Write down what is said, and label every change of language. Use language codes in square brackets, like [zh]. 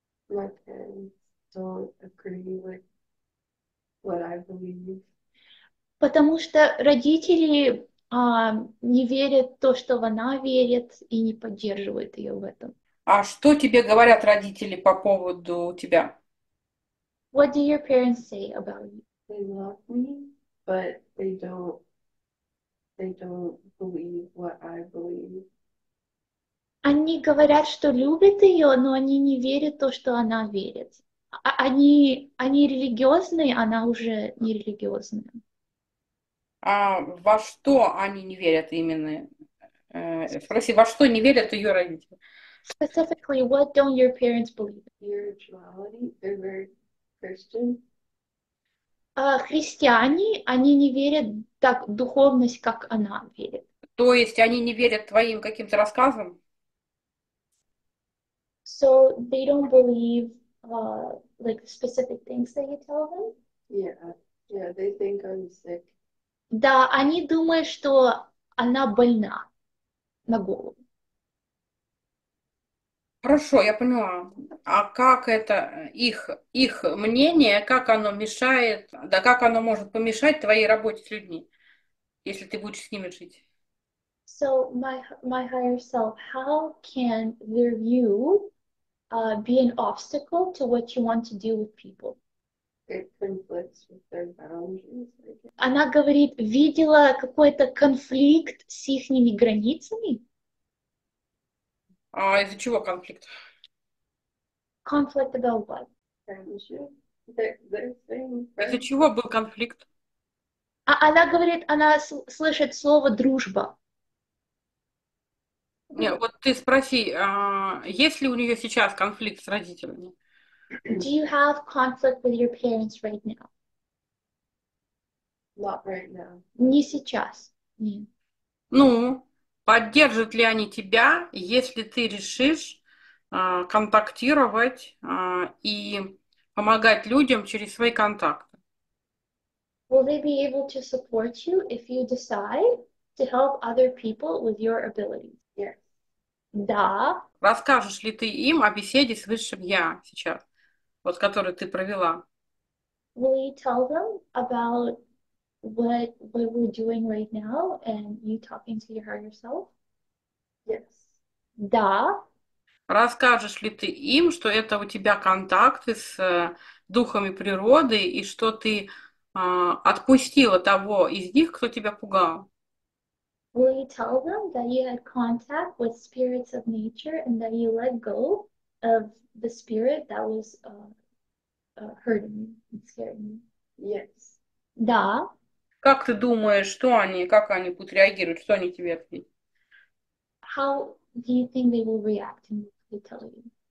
[en] My parents don't agree with what I believe. [ru] Потому что родители не верят в то, что она верит, и не поддерживают ее в этом. А что тебе говорят родители по поводу тебя? [en] What do your parents say about you? They love me, but they don't believe what I believe. [ru] Они говорят, что любят ее, но они не верят в то, что она верит. Они религиозные, она уже не религиозная. А во что они не верят именно? Спроси, во что не верят ее родители? [en] Specifically, what don't your parents believe? Spirituality, they're very Christian. [ru] Христиане, они не верят так в духовность, как она верит. То есть они не верят твоим каким-то рассказам? [en] So they don't believe like the specific things that you tell them? Yeah, they think I'm sick. [ru] Да, они думают, что она больна на голову. Хорошо, я поняла. А как это их мнение, как оно мешает, да как оно может помешать твоей работе с людьми, если ты будешь с ними жить? [en] So my higher self, how can their view be an obstacle to what you want to do with people? It conflicts with their boundaries. [ru] Она говорит, видела какой-то конфликт с ихними границами? А из-за чего конфликт? [en] Conflict about what? [ru] Из-за чего был конфликт? А она говорит, она слышит слово дружба. Нет, вот ты спроси, есть ли у нее сейчас конфликт с родителями? [en] Do you have conflict with your parents right now? Not right now. [ru] Не сейчас. Нет. Ну, поддержат ли они тебя, если ты решишь контактировать и помогать людям через свои контакты? [en] Will they be able to support you if you decide to help other people with your abilities? [ru] Да. Расскажешь ли ты им о беседе с высшим я сейчас, вот которую ты провела? [en] Will you tell them about what we're doing right now and you talking to your higher self? Yes. [ru] Да. Расскажешь ли ты им, что это у тебя контакты с духами природы и что ты отпустила того из них, кто тебя пугал? [en] Will you tell them that you had contact with spirits of nature and that you let go of the spirit that was hurting you and scaring you? Yes. [ru] Да. Как ты думаешь, что они, как они будут реагировать, что они тебе ответят? [en] How do you think they will react to what they tell you?